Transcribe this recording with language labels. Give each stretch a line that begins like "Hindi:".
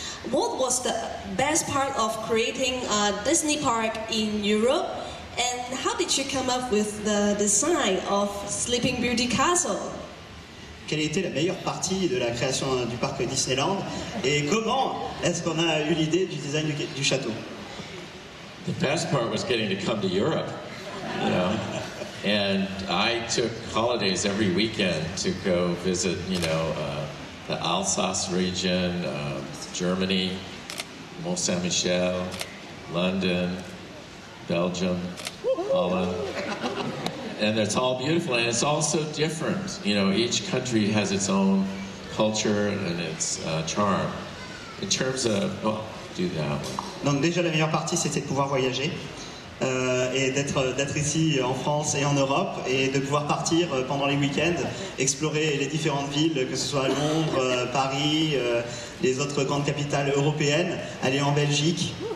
English: What was the best part of creating a Disney park in Europe? And how did you come up with the design of Sleeping Beauty Castle?
French: Quelle était la meilleure partie de la création du parc Disneyland? Et comment est-ce qu'on a eu l'idée du design du château?
English: The best part was getting to come to Europe. You know, and I took holidays every weekend to go visit, you know, the Alsace region, Germany, Mont-Saint-Michel, London, Belgium, Holland. And it's all beautiful and it's all so different. You know, each country has its own culture and its charm. In terms of, well, do that one.
French: Donc déjà la meilleure partie c'était de pouvoir voyager. Et d'être ici en France et en Europe et de pouvoir partir pendant les week-ends explorer les différentes villes, que ce soit Londres, Paris, les autres grandes capitales européennes, aller en Belgique.